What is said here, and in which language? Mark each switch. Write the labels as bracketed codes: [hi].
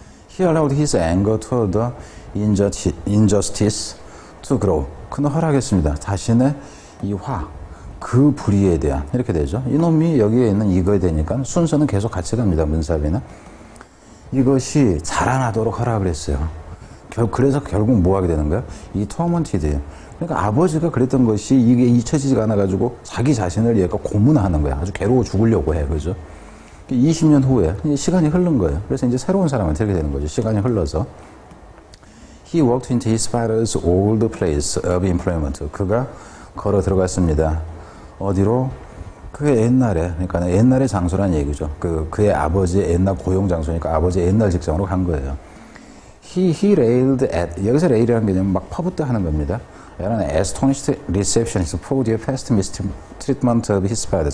[en] He allowed his anger toward the injustice to grow. [ko] 그는 허락했습니다. 자신의 이 화, 그 불의에 대한, 이렇게 되죠. 이놈이 여기에 있는 이거에 되니까 순서는 계속 같이 갑니다. 문사비는. 이것이 자라나도록 허락을 했어요. 그래서 결국 뭐 하게 되는 거야? 이 tormented. 그러니까 아버지가 그랬던 것이 이게 잊혀지지가 않아가지고 자기 자신을 얘가 고문하는 거야. 아주 괴로워 죽으려고 해. 그죠? 20년 후에 시간이 흐른 거예요. 그래서 이제 새로운 사람한테 이렇게 되는 거죠. 시간이 흘러서. [en] He walked into his father's old place of employment. [ko] 그가 걸어 들어갔습니다. 어디로? 그의 옛날에, 그러니까 옛날의 장소라는 얘기죠. 그의 아버지의 옛날 고용 장소니까 아버지의 옛날 직장으로 간 거예요. [en] He railed at, [ko] 여기서 rail이라는 개념은 막 퍼붓다 하는 겁니다. [en] An astonished receptionist for the past mistreatment of his father.